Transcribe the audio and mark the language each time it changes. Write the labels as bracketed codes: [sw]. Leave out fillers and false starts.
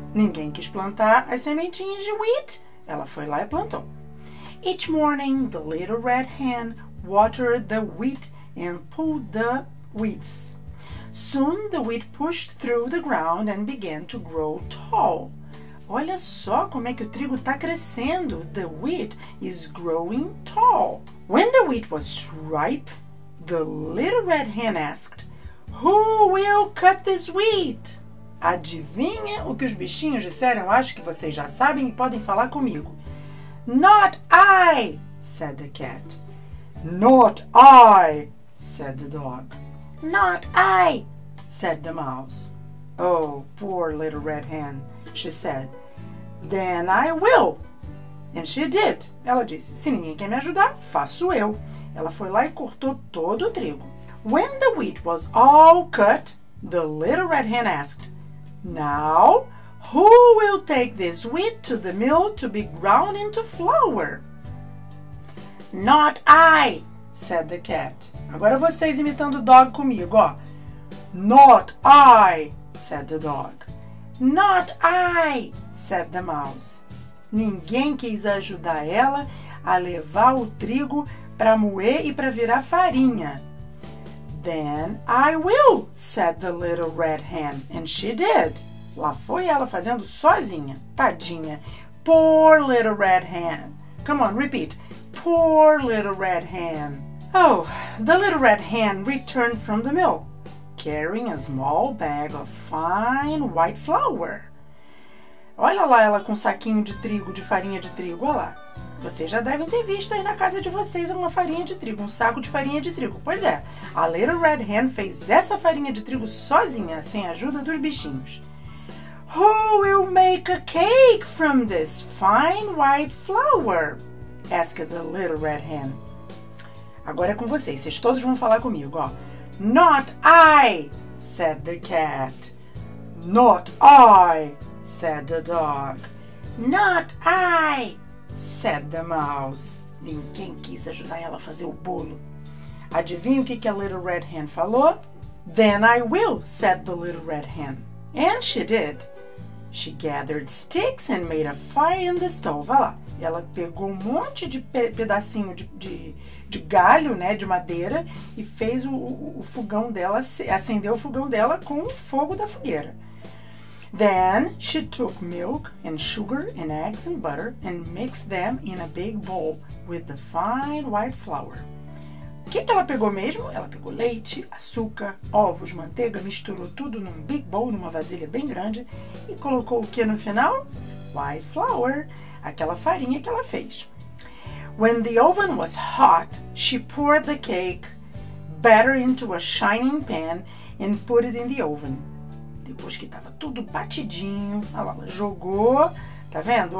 [pt] Ninguém quis plantar as sementinhas de wheat. Ela foi lá e plantou. [en] Each morning, the little red hen watered the wheat and pulled the weeds. Soon, the wheat pushed through the ground and began to grow tall. [pt] Olha só como é que o trigo está crescendo. [en] The wheat is growing tall. When the wheat was ripe, the little red hen asked, Who will cut this wheat? [pt] Adivinha o que os bichinhos disseram? Acho que vocês já sabem e podem falar comigo. [en] Not I, said the cat. Not I, said the dog. Not I, said the mouse. Oh, poor little red hen, she said. Then I will. And she did. [pt] Ela disse, se ninguém quer me ajudar, faço eu. Ela foi lá e cortou todo o trigo. [en] When the wheat was all cut, the little red hen asked, Now, who will take this wheat to the mill to be ground into flour? Not I, said the cat. [pt] Agora vocês imitando o dog comigo, ó. [en] Not I, said the dog. Not I, said the mouse. [pt] Ninguém quis ajudar ela a levar o trigo para moer e para virar farinha. [en] Then I will, said the little red hen, and she did. [pt] Lá foi ela fazendo sozinha, tadinha. [en] Poor little red hen. Come on, repeat. Poor little red hen. Oh, the little red hen returned from the mill, carrying a small bag of fine white flour. [pt] Olha lá ela com um saquinho de trigo, de farinha de trigo, olha lá. Vocês já devem ter visto aí na casa de vocês uma farinha de trigo, um saco de farinha de trigo. Pois é, a Little Red Hen fez essa farinha de trigo sozinha, sem a ajuda dos bichinhos. [en] Who will make a cake from this fine white flour? Asked the Little Red Hen. [pt] Agora é com vocês, vocês todos vão falar comigo, ó. [en] Not I, said the cat. Not I, said the dog. Not I, said the mouse. [pt] Ninguém quis ajudar ela a fazer o bolo. Adivinha o que a Little Red Hen falou? [en] Then I will, said the Little Red Hen. And she did. She gathered sticks and made a fire in the stove. [pt] Vai lá. Ela pegou um monte de pedacinho de galho, né, de madeira, e fez o fogão dela, acendeu o fogão dela com o fogo da fogueira. [en] Then she took milk and sugar and eggs and butter and mixed them in a big bowl with the fine white flour. [pt] O que ela pegou mesmo? Ela pegou leite, açúcar, ovos, manteiga, misturou tudo num [en] big bowl, [pt] numa vasilha bem grande, e colocou o que no final? [en] White flour, [pt] aquela farinha que ela fez. [en] When the oven was hot, she poured the cake batter into a shining pan and put it in the oven. [pt] Depois que estava tudo batidinho, ela jogou, tá vendo?